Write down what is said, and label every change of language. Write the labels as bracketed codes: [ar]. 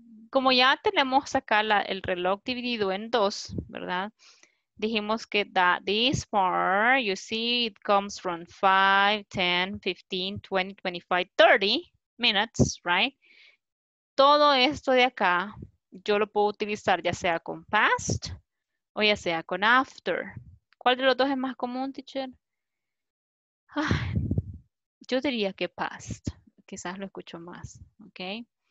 [es] Como ya tenemos acá el reloj dividido en dos, ¿verdad? Dijimos que [en] that this far, you see, it comes from 5, 10, 15, 20, 25, 30 minutes, right? [es] Todo esto de acá, yo lo puedo utilizar ya sea con past o ya sea con after. ¿Cuál de los dos es más común, teacher? Ay, yo diría que past. Quizás lo escucho más, okay?